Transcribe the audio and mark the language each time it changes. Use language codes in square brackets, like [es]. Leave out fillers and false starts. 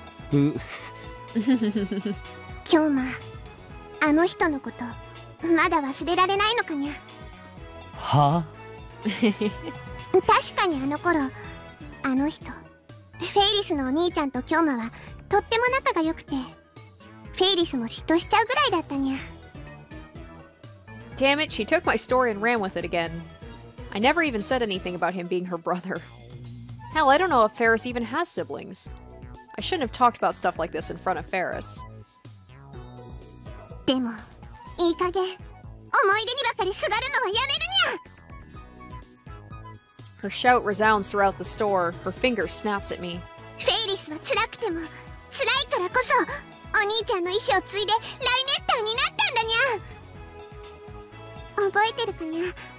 [ja] 今日もあの人のことまだ忘れられないのかにゃ。は？確かにあの頃あの人フェイリスのお兄ちゃんと今日もはとっても仲が良くて、フェイリスも嫉妬しちゃうぐらいだったにゃ。 [en] Damn it, she took my story and ran with it again. I never even said anything about him being her brother. Hell, I don't know if Ferris even has siblings. I shouldn't have talked about stuff like this in front of Ferris. [ja] でも、いい加減、思い出にばかりすがるのはやめるにゃ! [en] Her shout resounds throughout the store, her finger snaps at me. [ja] Ferris は辛くても、辛いからこそ、お兄ちゃんの意思を継いでライネッターになったんだにゃ!覚えてるかにゃ。